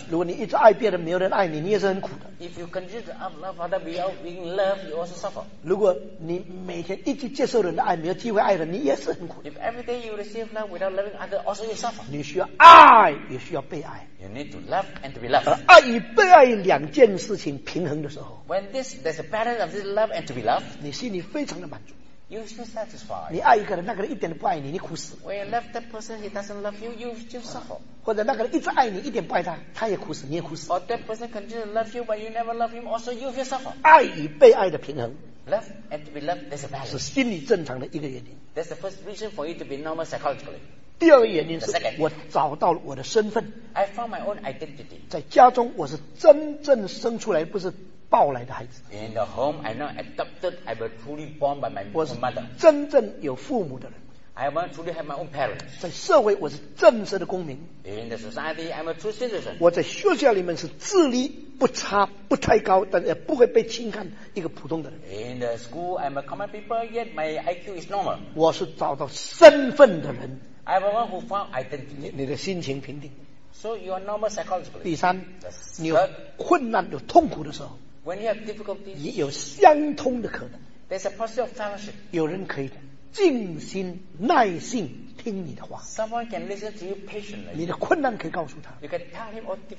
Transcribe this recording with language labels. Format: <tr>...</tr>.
<zh>如果你一直爱别人，没有人爱你，你也是很苦的。</zh> <en>If you continue to have love without being loved, you also suffer.</en> <zh>如果你每天一直接受人的爱，没有机会爱人，你也是很苦的。</zh> <en>If every day you receive love without loving others, also you suffer.</en> <zh>你需要爱，也需要被爱。</zh> <en>You need to love and to be loved.</en> <zh>而爱与被爱两件事情平衡的时候</zh> <en>，When there's a balance of this love and to be loved,</en> <zh>你心里非常的满足。</zh> <en>You're still satisfied.</en> <zh>你爱一个人，那个人一点都不爱你，你苦死。</zh> <en>When you love that person, he doesn't love you. You still suffer.</en> <zh>或者那个人一直爱你，一点不爱他，他也苦死，你也苦死。</zh> <en>Or that person continues to love you, but you never love him. Also, you feel suffer.</en> <zh>爱与被爱的平衡。</zh> <en>Love and to be loved, there's a balance.</en> <zh>是心理正常的一个原因。</zh> <en>That's the first reason for you to be normal psychologically.</en> <zh>第二个原因是我找到了我的身份。</zh> <en>I found my own identity.</en> <zh>在家中，我是真正生出来，不是。抱来的孩子。</zh> <en>In the home, I'm not adopted. I was truly born by my own mother.</en> <zh>真正有父母的人。</zh> <en>I want to truly have my own parents.</en> <zh>在社会，我是正式的公民。</zh> <en>In the society, I'm a true citizen.</en> <zh>我在学校里面是智力不差、不太高，但也不会被轻看一个普通的人。</zh> <en>In the school, I'm a common people, yet my IQ is normal.</en> <zh>我是找到身份的人。</zh> <en>I'm the one who found identity.</en> <zh>你的心情平定。</zh> <en>So you are normal psychologically.</en> <zh>第三，你有困难、有痛苦的时候。</zh> <en>When you have difficulties,</en> <zh>你有相通的可能</zh> <en>There's a possibility of fellowship.</en> <zh>有人可以静心耐心听你的话</zh> <en>Someone can listen to you patiently.</en> <zh>你的困难可以告诉他</zh> <en>You can tell him all difficulties.</en>